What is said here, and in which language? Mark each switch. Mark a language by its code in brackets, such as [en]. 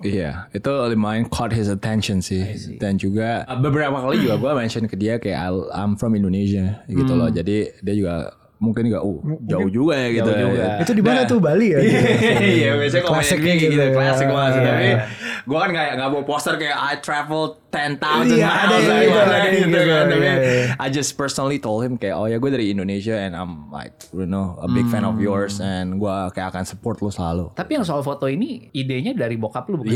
[id] Iya, itu lumayan [en] caught his attention [id] sih. Dan juga beberapa kali juga gue mention ke dia kayak [en] I'm from Indonesia [id] gitu loh. Jadi dia juga mungkin enggak jauh juga ya gitu. Itu di mana tuh, Bali ya? Iya, biasanya komennya kayak gitu, klasik banget. Tapi gue kan enggak bawa poster kayak [en] I travel 10,000 miles [id] gitu kan. [en] I just personally told him [id] kayak, oh ya gue dari Indonesia [en] and I'm like, you know, a big fan of yours and [id] gue kayak akan support lo selalu. Tapi yang soal foto ini, idenya dari bokap lo bukan?